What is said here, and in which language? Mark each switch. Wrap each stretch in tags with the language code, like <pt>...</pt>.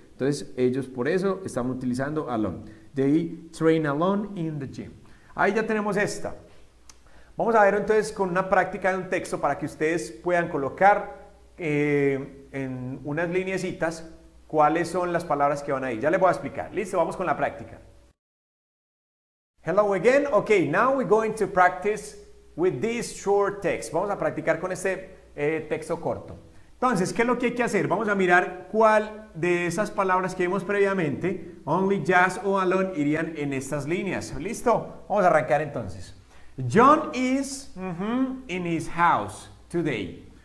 <es>Entonces ellos por eso están utilizando alone.</es> <en>They train alone in the gym.</en> <es>Ahí ya tenemos esta. Vamos a ver entonces con una práctica de un texto para que ustedes puedan colocar en unas lineecitas cuáles son las palabras que van ahí. Ya les voy a explicar. Listo, vamos con la práctica.</es> <en>Hello again. Okay, now we're going to practice with this short text.</en> <es>Vamos a practicar con este texto corto. Entonces, ¿qué es lo que hay que hacer? Vamos a mirar cuál de esas palabras que vimos previamente, only, just o alone, irían en estas líneas. ¿Listo? Vamos a arrancar entonces.</es> <en>John is in his house today.</en>